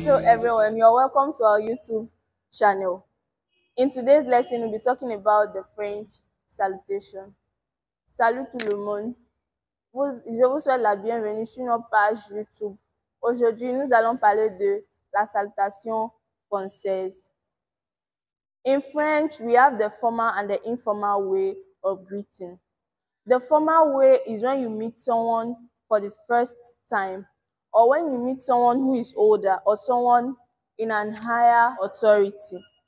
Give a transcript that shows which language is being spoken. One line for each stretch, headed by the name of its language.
English: Hello everyone, you're welcome to our YouTube channel. In today's lesson, we'll be talking about the French salutation.
French: Salut tout le monde. Je vous souhaite la bienvenue sur notre page YouTube. Aujourd'hui, nous allons parler de la salutation française.
English: In French, we have the formal and the informal way of greeting. The formal way is when you meet someone for the first time, or when you meet someone who is older or someone in an higher authority.